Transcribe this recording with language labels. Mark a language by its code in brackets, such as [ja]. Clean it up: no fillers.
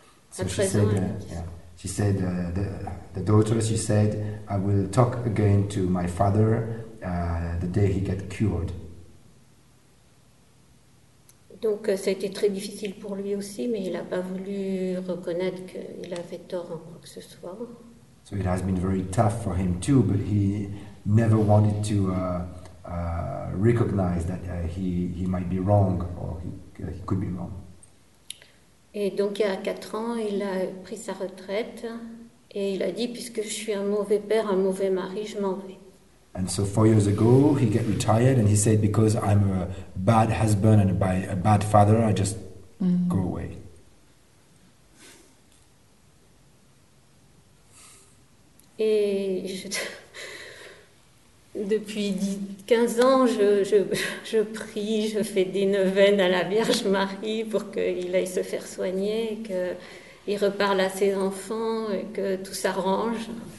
[en] So she said, she said, the daughter, she said, I will talk again to my father the day he gets cured. [fr] Donc ça a été très difficile pour lui aussi, mais il n'a pas voulu reconnaître qu'il avait tort en quoi que ce soit. [en] So it has been very tough for him too, but he never wanted to recognize that he might be wrong, or he could be wrong. [fr] Et donc il y a 4 ans, il a pris sa retraite, et il a dit, puisque je suis un mauvais père, un mauvais mari, je m'en vais. [en] And so 4 years ago, he got retired, and he said, because I'm a bad husband and a bad father, I just go away. [fr] Et depuis 15 ans, je prie, je fais des neuvaines à la Vierge Marie pour qu'il aille se faire soigner, qu'il reparle à ses enfants et que tout s'arrange.